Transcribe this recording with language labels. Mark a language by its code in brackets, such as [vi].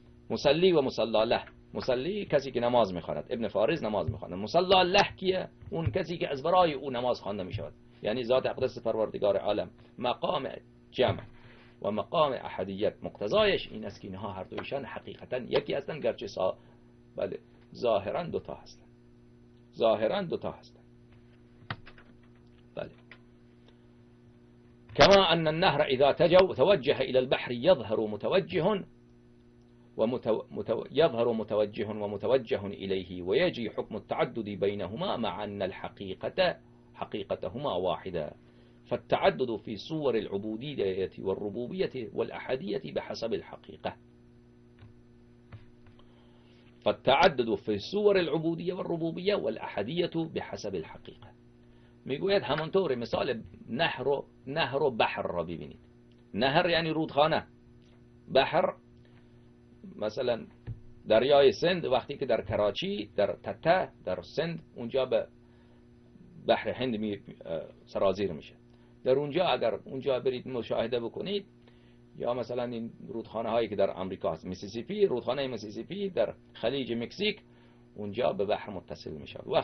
[fa] مصلی و مصلاله، مصلی کسی که نماز میخواند، ابن فارس نماز میخواند، مصلاله کیه؟ اون کسی که از برای او نماز خوانده میشود، یعنی ذات اقدس پروردگار عالم. مقام جمع و مقام احدیت مقتضایش این است که اینها هر دویشان حقیقتا یکی هستند، گرچه بله ظاهرا دوتا هستند، ظاهرا دوتا هستند. [ar] بله، کما ان النهر اذا توجه الى البحر يظهر متوجه و يظهر متوجه و متوجه اليه و يجي حكم التعدد بينهما مع ان الحقيقه حقيقتهما واحده فالتعدد في صور العبودية والربوبية والأحدية بحسب الحقيقة. فالتعدد في صور العبودية والربوبية والأحدية بحسب الحقيقة. [fa] ميقول همونطور مثال نهر، نهر بحر را ببینید. نهر يعني رودخانة، بحر مثلا دريای سند، وقتی که در کراچی در تتا در سند اونجا به بحر هند سرازیر میشه، در اونجا اگر اونجا برید مشاهده بکنید، یا مثلا این رودخانه هایی که در امریکا هست، میسیسیپی، رودخانه میسیسیپی در خلیج مکزیک اونجا به بحر متصل میشود.